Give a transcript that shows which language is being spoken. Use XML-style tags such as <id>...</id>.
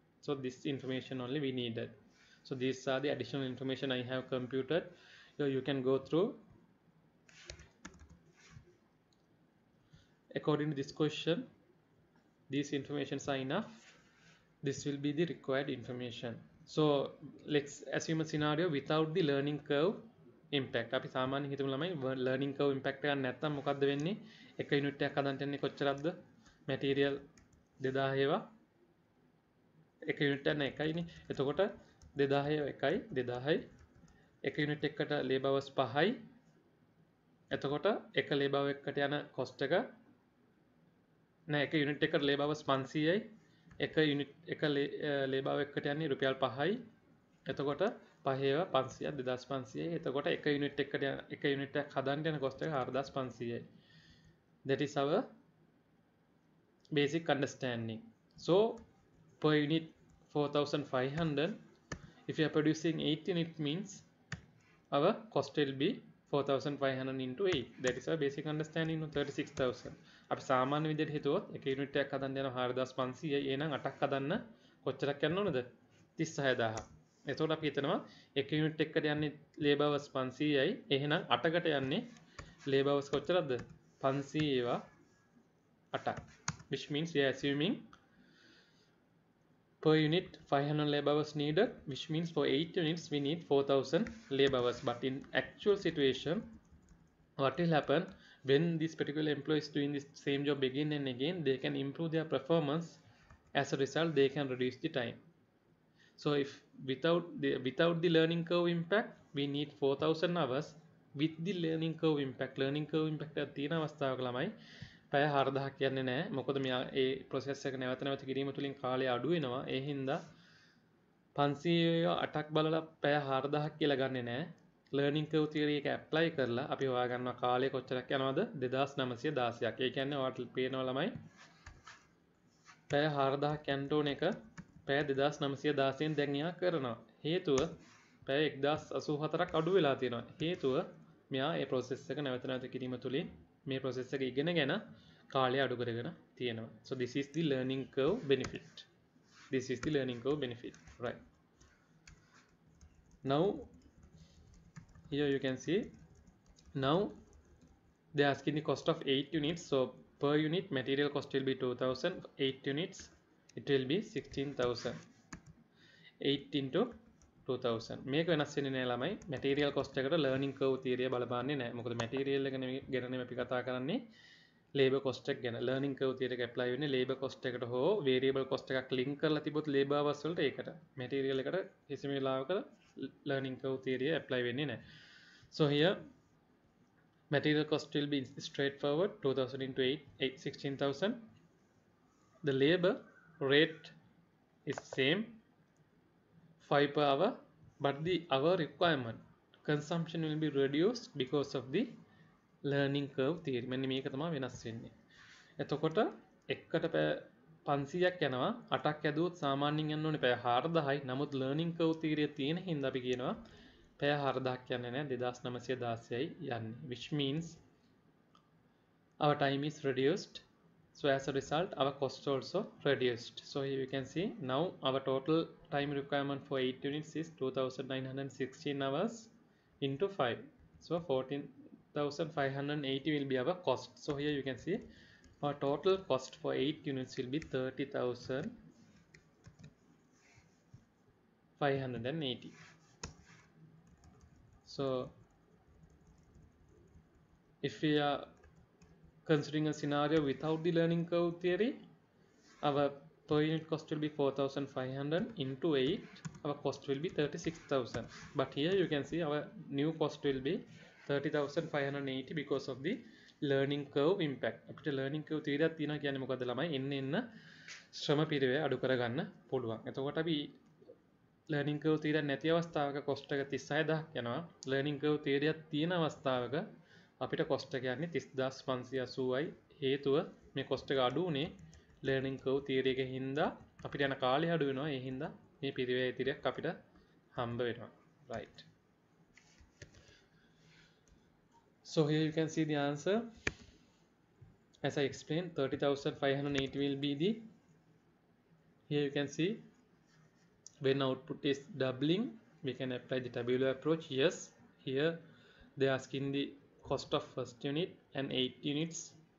<en>So this information only we needed. So these are the additional information I have computed. So you can go through. According to this question, these informations are enough. This will be the required information. So let's assume a scenario without the learning curve impact.</en> <si>අපි සාමාන්‍ය හිතමු ළමයි learning curve impact එකක් නැත්තම් මොකද්ද වෙන්නේ? එක unit එකක් හදන්න යන්නේ කොච්චරක්ද? Material 2000 ඒවා. එක unit එකක් නැහැ එකයිනේ. එතකොට 2000 ඒවා එකයි 2000යි. එක unit එකකට labor hours 5යි. එතකොට එක labor hour එකකට යන cost එක නැහැ එක unit එකකට labor hours 500යි. එක unit එක labor hour එකකට යන්නේ රුපියල් 5යි. එතකොට 5 ඒවා 500 2500 එතකොට එක unit එකකට එක unit එකක් හදන්න යන cost එක 4500යි.</si> <en>That is our basic understanding. So per unit 4500. If you are producing 8 units, means our cost will be 4500 into 8. That is our basic understanding. 36000.</en> <si>අපි සාමාන්‍ය විදිහට හිතුවොත් එක unit එකක් හදන්න යන 4500යි. එහෙනම් 8ක් හදන්න කොච්චරක් යන්න ඕනද? 36000. එතකොට අපි හිතනවා එක unit එකකට යන්නේ labor hours 500යි. එහෙනම් 8කට යන්නේ labor hours කොච්චරද? 500 ඒවා 8ක්.</si> <en>Which means we are assuming per unit 500 labor hours needed, which means for 8 units we need 4000 labor hours. But in actual situation, what will happen when this particular employee is doing this same job again and again, they can improve their performance. As a result, they can reduce the time. So if without the learning curve impact, we need 4000 hours. With the learning curve impact, learning curve impact at 3</en> <si>අවස්ථාවක ළමයි පැය 4000ක් කියන්නේ නැහැ. මොකද මෙයා ඒ process එක නැවත නැවත කිරීම තුලින් කාලය අඩු වෙනවා. ඒ හින්දා 500 8ක් බලලා පැය 4000ක් කියලා ගන්නෙ නැහැ. Learning curve theory එක apply කරලා අපි හොයා ගන්නවා කාලය කොච්චරක් යනවද? 2916ක්. ඒ කියන්නේ ඔයාලට පේනවා ළමයි පැය 4000ක් යන්න ඕන එක පැය 2916ෙන් දැන් එයා කරනවා. හේතුව පැය 1084ක් අඩු වෙලා තියෙනවා. හේතුව මෙයා ඒ process එක නැවත නැවත කිරීම තුලින් මේ process එක ඉගෙනගෙන කාලය අඩු කරගෙන තියෙනවා.</si> <en>So this is the learning curve benefit. This is the learning curve benefit, right? Now here you can see, now they are asking the cost of 8 units. So per unit material cost will be 2000. 8 units it will be 16,000.</en> <si>8 into 2000. මේක වෙනස් වෙන්නේ නැහැ ළමයි. Material cost එකට learning curve theory බලපාන්නේ නැහැ. මොකද material එක ගැනනේ අපි කතා කරන්නේ. ලේබර් කොස්ට් එක ගැන ලර්නින් කර්ව් තියරි එක ඇප්ලයි වෙන්නේ ලේබර් කොස්ට් එකට හෝ වේරියබල් කොස්ට් එකක් ලින්ක් කරලා තිබොත් ලේබර් අවර්ස් වලට ඒකට මැටීරියල් එකට කිසිම වෙලාවක ලර්නින් කර්ව් තියරි ඇප්ලයි වෙන්නේ නැහැ.</si> <en>So here material cost will be straightforward 2000 into 8 16000. The labor rate is same 5 per hour, but the hour requirement consumption will be reduced because of the learning curve theory.</en> <si>මෙන්න මේක තමයි වෙනස් වෙන්නේ. එතකොට එකට 500ක් යනවා 8ක් ඇදුවොත් සාමාන්‍යයෙන් යන්න ඕනේ පැය 4000යි. නමුත් learning curve theory තියෙන හින්දා අපි කියනවා පැය 4000ක් යන්නේ නැහැ 2916යි යන්නේ.</si> <en>Which means our time is reduced. So as a result our cost also reduced. So here you can see now our total time requirement for 8 units is 2916 hours into 5. So 14,580 will be our cost. So here you can see our total cost for 8 units will be 30,580. So if we are considering a scenario without the learning curve theory, our per unit cost will be 4,500 into 8, our cost will be 36,000. But here you can see our new cost will be 30,580 because of the learning curve impact.</en> <si>අපිට learning curve theory එකක් තියෙනවා කියන්නේ මොකද ළමයි එන්න එන්න ශ්‍රම පිරවේ අඩු කරගන්න පුළුවන්. එතකොට අපි learning curve theory නැති අවස්ථාවක cost එක 36000 යනවා. learning curve theory එකක් තියෙන අවස්ථාවක අපිට cost එක යන්නේ 30580යි. හේතුව මේ cost එක අඩු උනේ learning curve theory එකෙන් හින්දා අපිට යන කාලය අඩු වෙනවා. ඒ හින්දා මේ පිරවේ ඉදිරියක් අපිට හම්බ වෙනවා.</si> <en>Right. So here you can see the answer. As I explained, 30,508 will be the, here you can see when output is doubling, we can apply the tabular approach. Yes, here they are asking the cost of first unit and 8 units.</en>